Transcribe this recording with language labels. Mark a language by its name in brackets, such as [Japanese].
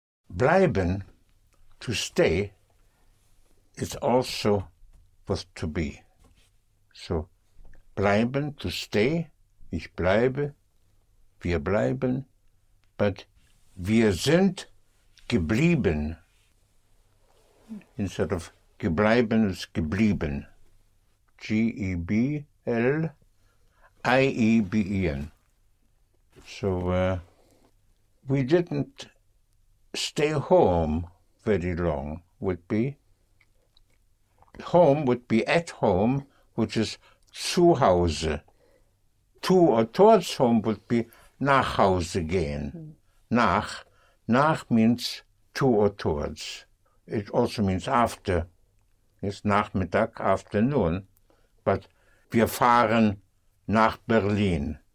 [English] Bleiben, to stay, is also was to be. So, [German] bleiben, [English] to stay, [German] ich bleibe, wir bleiben, [English] but [German] wir sind geblieben. [English] Instead of gebleiben, it's geblieben. G-E-B-L-I-E-B-E-N. So, we didn't stay home very long, would be. Home would be at home, which is [German] zu Hause. [English] To or towards home would be [German] nach Hause gehen. [English] Nach means to or towards. It also means after. It's Nachmittag, afternoon. But [German] wir fahren nach Berlin.